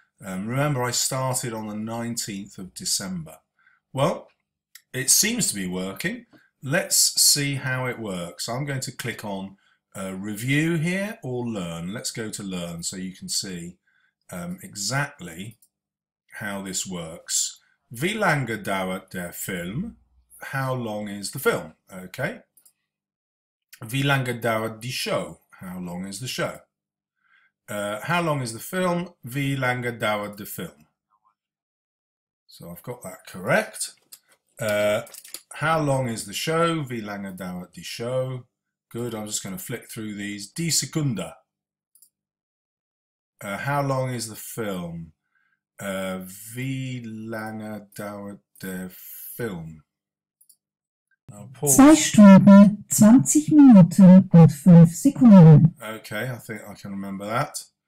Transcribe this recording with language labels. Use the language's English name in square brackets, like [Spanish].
[English] Remember, I started on the 19th of December. Well, it seems to be working. Let's see how it works. I'm going to click on review here or learn. Let's go to learn so you can see exactly how this works. [German] Wie lange dauert der Film? [English] How long is the film? Okay. [German] Wie lange dauert die Show? [English] How long is the show? How long is the film? [German] Wie lange dauert der Film? [English] So I've got that correct. How long is the show? [German] Wie lange dauert die Show? [English] Good, I'm just going to flick through these. [German] Die Sekunde. [English] How long is the film? [German] Wie lange dauert der Film? [English] Now [German] Zwei [English] pause. [German] Stunden, 20 Minuten und 5 Sekunden. [English] Okay, I think I can remember that.